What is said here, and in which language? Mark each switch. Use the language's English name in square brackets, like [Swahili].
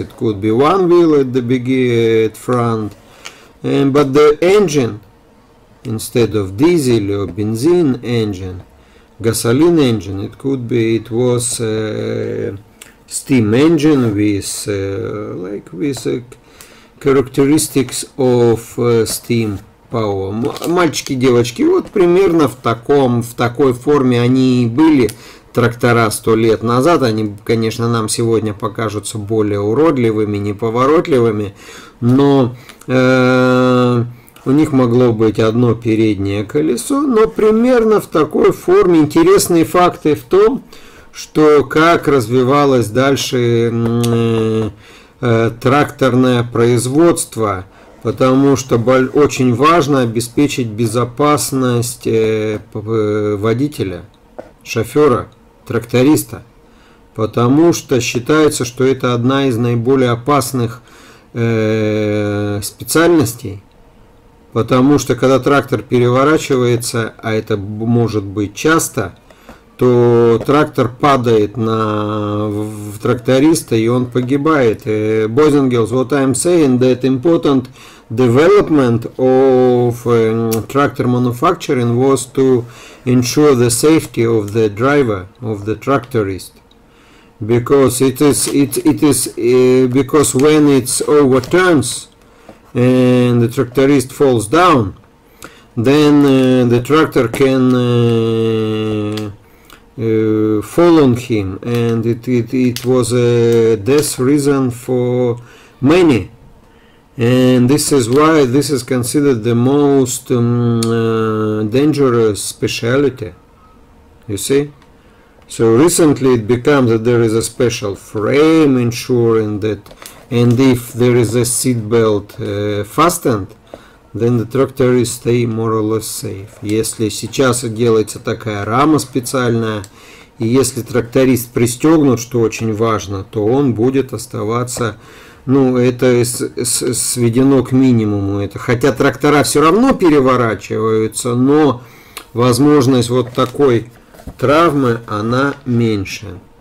[English] It could be one wheel at the at front, and but the engine, instead of diesel or benzene engine, gasoline engine, it could be, it was a steam engine with like with a characteristics of steam power. [Russian] Мальчики, девочки, вот примерно в такой форме они и были. Трактора 100 лет назад, они, конечно, нам сегодня покажутся более уродливыми, неповоротливыми, но у них могло быть одно переднее колесо, но примерно в такой форме. Интересные факты в том, что как развивалось дальше тракторное производство, потому что очень важно обеспечить безопасность водителя, шофера. Тракториста, потому что считается, что это одна из наиболее опасных специальностей, потому что когда трактор переворачивается, а это может быть часто, то трактор падает на тракториста, и он погибает. [English] Boys and girls, what I'm saying, that important development of tractor manufacturing was to ensure the safety of the driver, of the tractorist, because because when it's overturns and the tractorist falls down, then the tractor can fall on him, and it was a death reason for many, and this is why this is considered the most dangerous specialty, you see. So recently it becomes that there is a special frame ensuring that, and if there is a seat belt fastened, then the tractorist stay more or less safe. [Russian] Если сейчас делается такая рама специальная, и если тракторист пристегнут, что очень важно, то он будет оставаться, ну, это сведено к минимуму. Это, хотя трактора все равно переворачиваются, но возможность вот такой травмы, она меньше.